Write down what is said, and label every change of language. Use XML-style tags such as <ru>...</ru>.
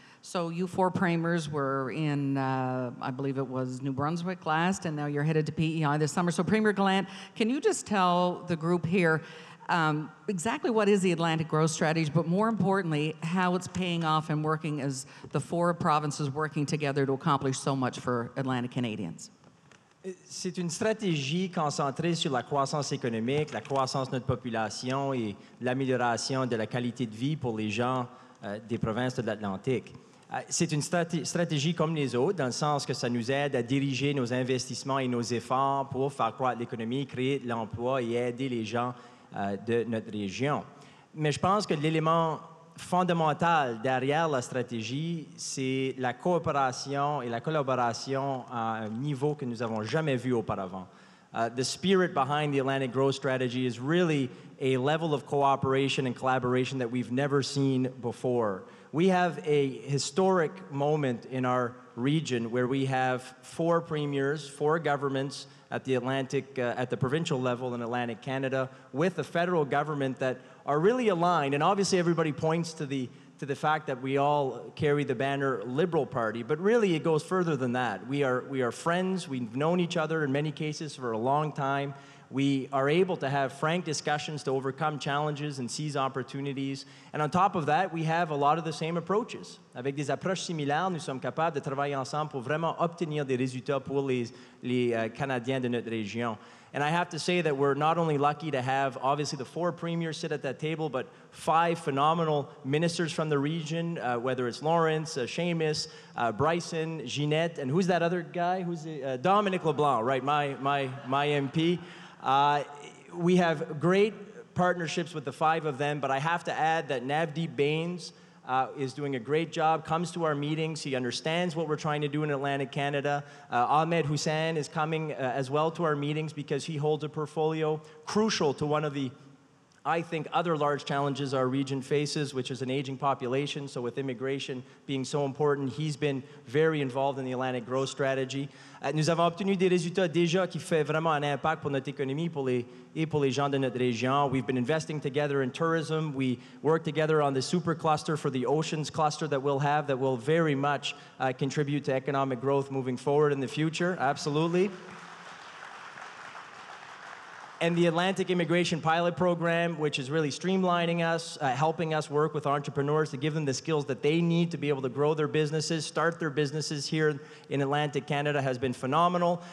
<en>So you four premiers were in, I believe it was New Brunswick last, and now you're headed to PEI this summer. So Premier Gallant, can you just tell the group here exactly what is the Atlantic Growth Strategy, but more importantly, how it's paying off and working as the four provinces working together to accomplish so much for Atlantic Canadians?</en> <fr>C'est une stratégie concentrée sur la croissance économique, la croissance de notre population et l'amélioration de la qualité de vie pour les gens des provinces de l'Atlantique. C'est une stratégie comme les autres, dans le sens que ça nous aide à diriger nos investissements et nos efforts pour faire croître l'économie, créer de l'emploi et aider les gens de notre région. Mais je pense que l'élément fondamental derrière la stratégie, c'est la coopération et la collaboration à un niveau que nous avons jamais vu auparavant.</fr> <en>The spirit behind the Atlantic Growth Strategy is really a level of cooperation and collaboration that we've never seen before. We have a historic moment in our region where we have four premiers, four governments at the Atlantic, at the provincial level in Atlantic Canada, with a federal government that are really aligned, and obviously everybody points to the fact that we all carry the banner Liberal Party, but really it goes further than that. We are friends, we've known each other in many cases for a long time, We are able to have frank discussions to overcome challenges and seize opportunities. And on top of that, we have a lot of the same approaches.</en> <fr>Avec des approches similaires, nous sommes capables de travailler ensemble pour vraiment obtenir des résultats pour les Canadiens de notre région.</fr> <en>And I have to say that we're not only lucky to have, obviously, the four premiers sit at that table, but five phenomenal ministers from the region, whether it's Lawrence, Seamus, Bryson, Ginette, and who's that other guy? Who's Dominic LeBlanc, right, my MP. We have great partnerships with the five of them, but I have to add that Navdeep Bains is doing a great job, comes to our meetings. He understands what we're trying to do in Atlantic Canada. Ahmed Hussein is coming as well to our meetings because he holds a portfolio crucial to one of the, I think, other large challenges our region faces, which is an aging population. So with immigration being so important, he's been very involved in the Atlantic growth strategy.</en> <fr>Nous avons obtenu des résultats déjà qui fait vraiment un impact pour notre économie et pour les gens de notre région.</fr> <en>We've been investing together in tourism. We work together on the super cluster for the oceans cluster that we'll have that will very much contribute to economic growth moving forward in the future. Absolutely. And the Atlantic Immigration Pilot Program, which is really streamlining us, helping us work with entrepreneurs to give them the skills that they need to be able to grow their businesses, start their businesses here in Atlantic Canada, has been phenomenal.</en>